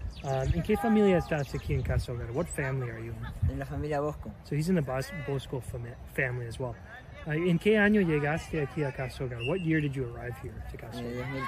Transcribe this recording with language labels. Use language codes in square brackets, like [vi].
[es] ¿En qué familia estás aquí en Casa Hogar? [en] What family are you in? [es] En la familia Bosco. [en] So he's in the Bosco family as well. [es] ¿En qué año llegaste aquí a Casa Hogar? [en] What year did you arrive here to Casa Hogar?